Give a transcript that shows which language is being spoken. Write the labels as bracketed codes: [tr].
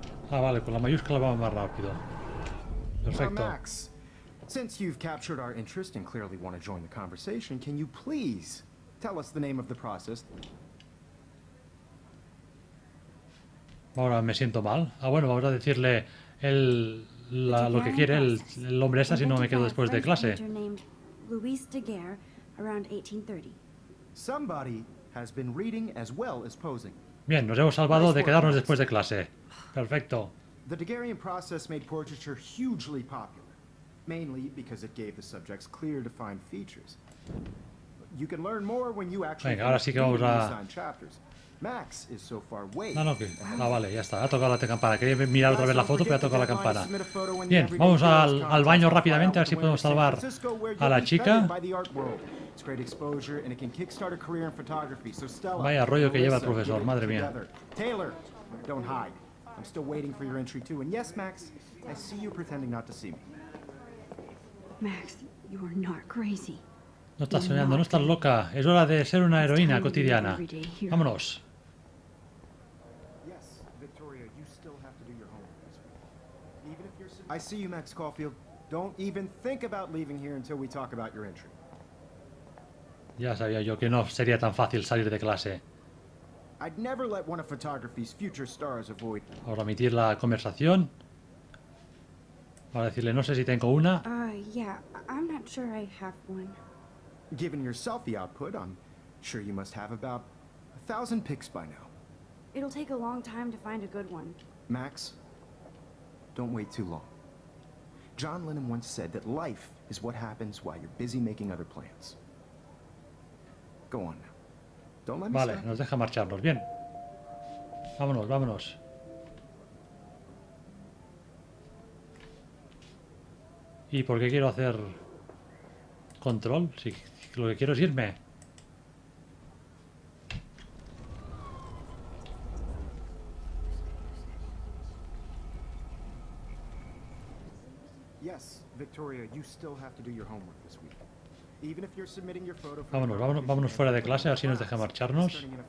[es] Ah, vale, con la mayúscula va más rápido. Perfecto. [en] Max, since you've captured our interest and clearly want to join the conversation, can you please tell us the name of the process? [es] Ahora me siento mal. Ah, bueno, vamos a decirle el la, lo que quiere el hombre esa si no me quedo después de clase. [en] Luis Daguerre, around 1830. Somebody has been reading as well as posing. [es] Bien, nos hemos salvado de quedarnos después de clase. Perfecto. [en] The Daguerrean process made portraiture hugely popular, mainly because it gave the subjects clear defined features. You can learn more when you actually [es] venga, ahora sí que vamos a [en] chapters. Max is so far away. [es] No, no, que ah, vale, ya está. Ha tocado la campana. Quería mirar otra vez la foto, pero ha tocado la campana. Bien, vamos al baño rápidamente a ver si podemos salvar a la chica. [en] Great exposure and it can kickstart a career in photography. So Stella, [es] vaya rollo que lleva el profesor, madre mía. [en] Taylor, don't hide. I'm still waiting for your entry too. And yes, Max, I see you pretending not to see me. Max, you are not crazy. [es] No estás soñando, no estás loca. Es hora de ser una heroína cotidiana. Vámonos. [en] Yes, Victoria, you still have to do your homework. Even if you're I see you, Max Caulfield. Don't even think about leaving here until we talk about your entry. [es] Ya sabía yo que no sería tan fácil salir de clase. [en] I'd never let one of photography's future stars avoid. [es] Ahora omitir la conversación. Para decirle, no sé si tengo una. [en] Yeah, I'm not sure I have one. Given your selfie output, I'm sure you must have about 1,000 pics by now. It'll take a long time to find a good one. Max, don't wait too long. John Lennon once said that life is what happens while you're busy making other plans. [es] Vale, nos deja marcharnos. Bien. Vámonos, vámonos. ¿Y por qué quiero hacer control? Si lo que quiero es irme. [en] Yes, Victoria, you still have to do your homework this week. Even if you're submitting your photo for [es] vámonos, vámonos, vámonos fuera de clase, así nos deja marcharnos.